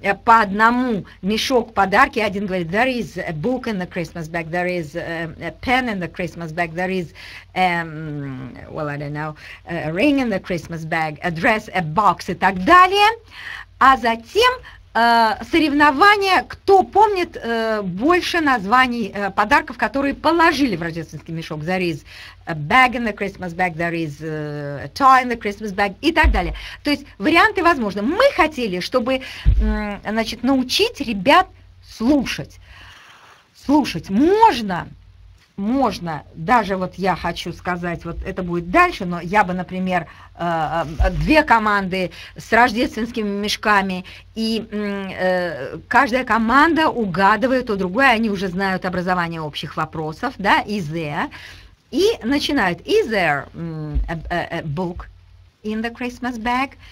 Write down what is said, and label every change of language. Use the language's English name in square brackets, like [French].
[Russian] по одному мешок подарки, один говорит, [English] there is a book in the Christmas bag, there is a pen in the Christmas bag, there is, well, I don't know, a ring in the Christmas bag, a dress, a box [Russian] и так далее, а затем соревнования, кто помнит больше названий подарков, которые положили в рождественский мешок. [English] There is a bag in the Christmas bag, there is a tie in the Christmas bag [Russian] и так далее. То есть варианты возможны. Мы хотели, чтобы, значит, научить ребят слушать. Слушать можно, можно. Даже вот я хочу сказать, вот это будет дальше, но я бы, например, две команды с рождественскими мешками, и каждая команда угадывает у другой, они уже знают образование общих вопросов, да, [English] is there, [Russian] и начинают, [English] is there a book in the Christmas bag?